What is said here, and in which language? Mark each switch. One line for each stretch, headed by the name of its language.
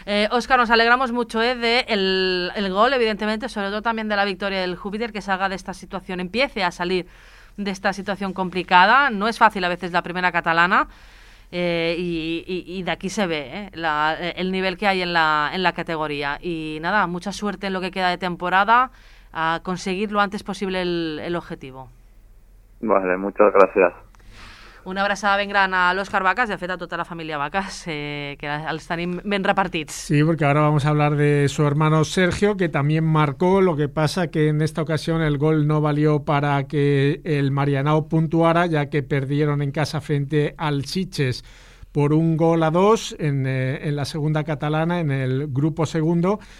Spanish: Óscar, nos alegramos mucho de el gol, evidentemente, sobre todo también de la victoria del Júpiter, que salga de esta situación, empiece a salir de esta situación complicada. No es fácil a veces la primera catalana. Y de aquí se ve el nivel que hay en la categoría. Y nada, mucha suerte en lo que queda de temporada, a conseguir lo antes posible el objetivo. Vale, muchas gracias.
Catalan: Una abraçada ben gran a l'Òscar Vacas, de fet a tota la família Vacas, que els tenim ben repartits.
Spanish: Sí, porque ahora vamos a hablar de su hermano Sergio, que también marcó, lo que pasa que en esta ocasión el gol no valió para que el Marianao puntuara, ya que perdieron en casa frente al Sitges por 1-2 en la segunda catalana, en el grupo segundo.